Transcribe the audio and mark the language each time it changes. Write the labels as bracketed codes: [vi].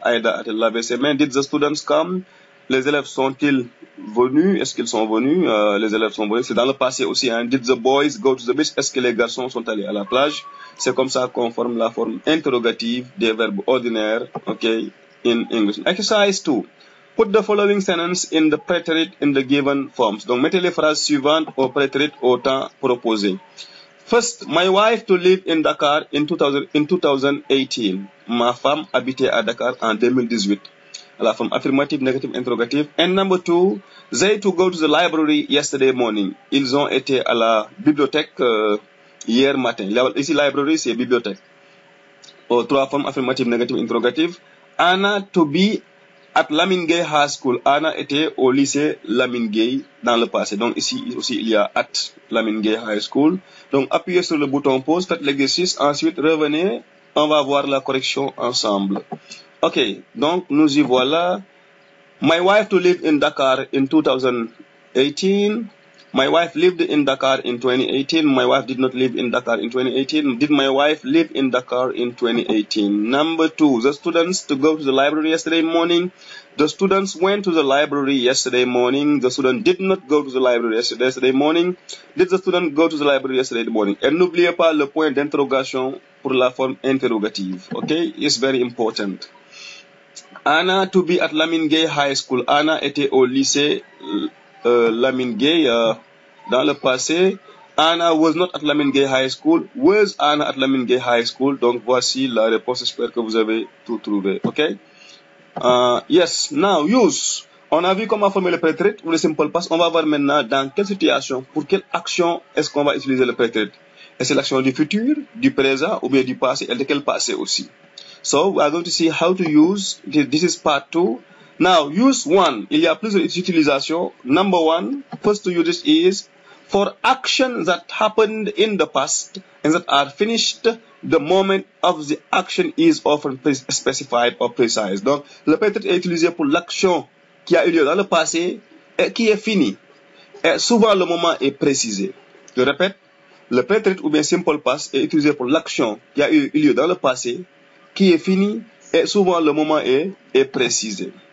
[fr] Aida a lavé ses mains? [en] Did the students come? [fr] Les élèves sont-ils venus? Est-ce qu'ils sont venus? Les élèves sont venus. C'est dans le passé aussi. Hein? [en] Did the boys go to the beach? [fr] Est-ce que les garçons sont allés à la plage? C'est comme ça qu'on forme la forme interrogative des verbes ordinaires, ok, [en] in English. Exercise 2. Put the following sentence in the préterite in the given forms. [fr] Donc, mettez les phrases suivantes au préterite au temps proposé. [en] First, my wife to live in Dakar in 2018. [fr] Ma femme habitait à Dakar en 2018. La forme affirmative, négative, interrogative. [en] And number two, they to go to the library yesterday morning. [fr] Ils ont été à la bibliothèque hier matin. Ici, library, c'est bibliothèque. Aux trois formes affirmative, négative, interrogative. [en] Anna to be at Lamingay High School. [fr] Anna était au lycée Lamingay dans le passé. Donc ici aussi, il y a at Lamingay High School. Donc appuyez sur le bouton pause, faites l'exercice, ensuite revenez, on va voir la correction ensemble. Ok, donc nous y voilà. [en] My wife to live in Dakar in 2018. My wife lived in Dakar in 2018. My wife did not live in Dakar in 2018. Did my wife live in Dakar in 2018? Number two, the students to go to the library yesterday morning. The students went to the library yesterday morning. The student did not go to the library yesterday morning. Did the student go to the library yesterday morning? [fr] Et n'oubliez pas le point d'interrogation pour la forme interrogative. Okay? [en] It's very important. Anna to be at Lamingay High School. [fr] Anna était au lycée Lamingay dans le passé. [en] Anna was not at Lamingay High School. Was Anna at Lamingay High School? [fr] Donc voici la réponse. J'espère que vous avez tout trouvé. Ok? [en] Yes. Now use. [fr] On a vu comment former le préterite ou le simple past. On va voir maintenant dans quelle situation, pour quelle action est-ce qu'on va utiliser le préterite. Est-ce que l'action du futur, du présent ou bien du passé et de quel passé aussi? [en] So we are going to see how to use. This is part two. Now, use one. [fr] Il y a plusieurs utilisations. [en] Number one, first to use it is for actions that happened in the past and that are finished, the moment of the action is often specified or precise. [fr] Donc, le préterite est utilisé pour l'action qui a eu lieu dans le passé et qui est finie. Et souvent, le moment est précisé. Je répète, le préterite ou bien simple past est utilisé pour l'action qui a eu lieu dans le passé, qui est finie et souvent, le moment est précisé.